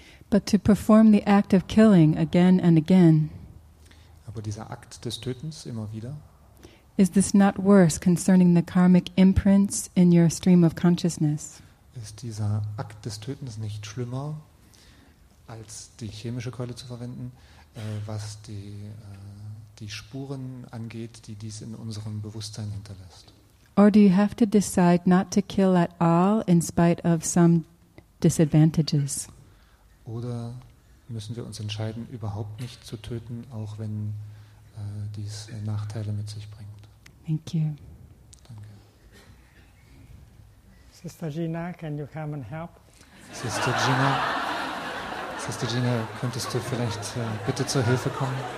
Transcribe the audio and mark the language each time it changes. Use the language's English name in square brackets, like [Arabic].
[English] But to perform the act of killing again and again. [German] Aber dieser Akt des Tötens immer wieder. [English] Is this not worse concerning the karmic imprints in your stream of consciousness? [German] Ist dieser Akt des Tötens nicht schlimmer als die chemische Keule zu verwenden, was die Spuren angeht, die dies in unserem Bewusstsein hinterlässt? [English] Or do you have to decide not to kill at all in spite of some disadvantages? [German] Oder müssen wir uns entscheiden, überhaupt nicht zu töten, auch wenn dies Nachteile mit sich bringt? [English] Thank you. [German] Danke. [English] Sister Gina, can you come and help? [German] Sister Gina, könntest du vielleicht bitte zur Hilfe kommen?